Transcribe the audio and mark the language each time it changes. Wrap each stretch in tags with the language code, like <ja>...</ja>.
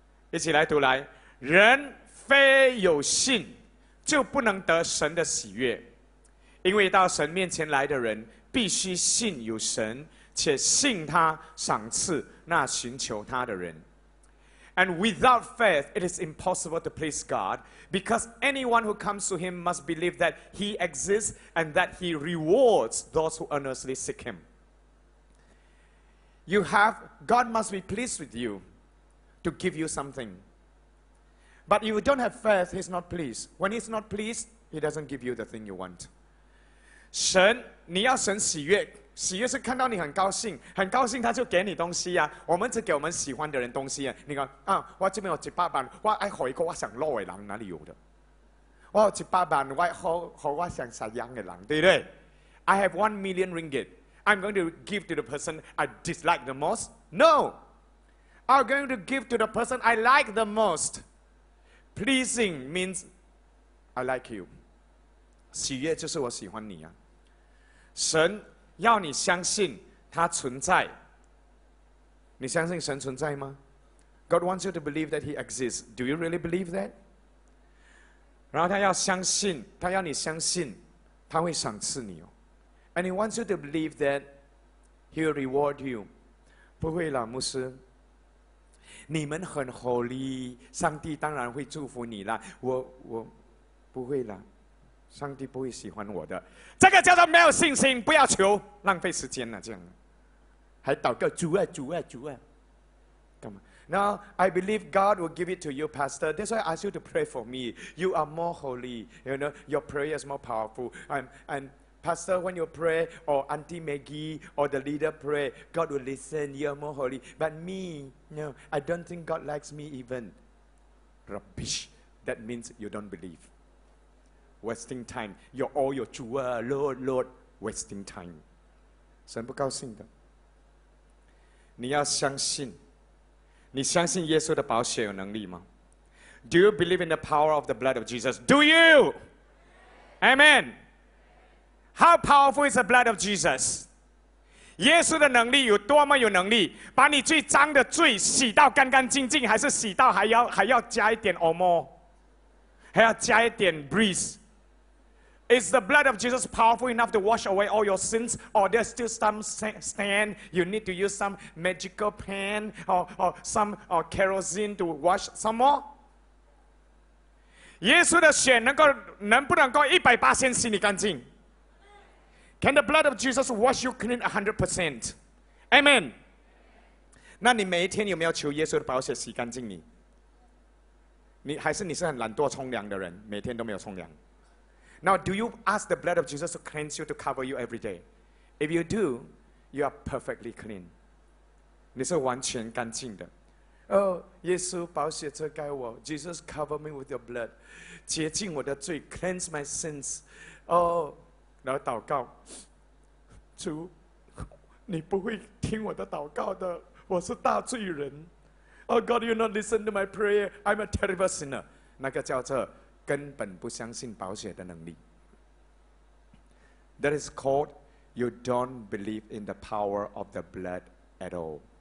<zh>一起来读来，人非有信，就不能得神的喜悦。因为到神面前来的人，必须信有神，且信他赏赐那寻求他的人。</zh> <en>And without faith, it is impossible to please God, because anyone who comes to him must believe that he exists and that he rewards those who earnestly seek him. You have, God must be pleased with you to give you something. But if you don't have faith, he's not pleased. When he's not pleased, he doesn't give you the thing you want.</en> <zh>神，你要神喜悦，喜悦是看到你很高兴，很高兴他就给你东西啊。我们只给我们喜欢的人东西啊。你看啊，我这边有100万，我爱好一个我想落的人，哪里有的？我有100万，我爱好好我想杀养的人，对不对 ？</zh> <en>I have 1 million ringgit. I'm going to give to the person I dislike the most? No! I'm going to give to the person I like the most. Pleasing means I like you.</en> <zh>喜悦就是我喜欢你啊。神要你相信他存在。你相信神存在吗？</zh> <en>God wants you to believe that he exists. Do you really believe that?</en> <zh>然后他要相信，他要你相信，他会赏赐你哦。</zh> <en>And he wants you to believe that he will reward you.</en> <zh>不会啦，牧师。你们很 holy， 上帝当然会祝福你啦。我不会啦，上帝不会喜欢我的。这个叫做没有信心，不要求，浪费时间了。这样，还祷告主啊主啊主啊，干嘛</zh> <en>？Now I believe God will give it to you, Pastor. That's why I ask you to pray for me. You are more holy. You know your prayer is more powerful. And Pastor, when you pray, or Auntie Maggie, or the leader pray, God will listen, you are more holy. But me, no, I don't think God likes me even. Rubbish. That means you don't believe. Wasting time. You're all your chua, Lord, Lord, wasting time.</en> <zh>神不高兴的。你要相信。你相信耶稣的宝血有能力吗？</zh> <en>Do you believe in the power of the blood of Jesus? Do you? Amen. How powerful is the blood of Jesus?</en> <zh>耶稣的能力有多么有能力，把你最脏的罪洗到干干净净，还是洗到还要加一点</zh> <en>or more，</en> <zh>还要加一点 breeze。</zh> <en>Is the blood of Jesus powerful enough to wash away all your sins, or there's still some stain? You need to use some magical pen or some kerosene to wash some more?</en> <zh>耶稣的血能不能够100%洗你干净？</zh> <en>Can the blood of Jesus wash you clean 100%? Amen.</en> <zh>那你每一天有没有求耶稣的宝血洗干净你？你还是你是很懒惰冲凉的人，每天都没有冲凉。</zh> <en>Now, do you ask the blood of Jesus to cleanse you, to cover you every day? If you do, you are perfectly clean.</en> <zh>你是完全干净的。</zh> <en>Oh,</en> <zh>耶稣宝血遮盖我。</zh> <en>Jesus, cover me with your blood.</en> <zh>洁净我的罪。</zh> <en>Cleanse my sins. Oh,</en> <zh>然后祷告。主，你不会听我的祷告的。我是大罪人。</zh> <en>Oh, God, you not listen to my prayer. I'm a terrible sinner.</en> <zh>那个叫做根本不相信宝血的能力。</zh> <en>That is called you don't believe in the power of the blood at all.</en>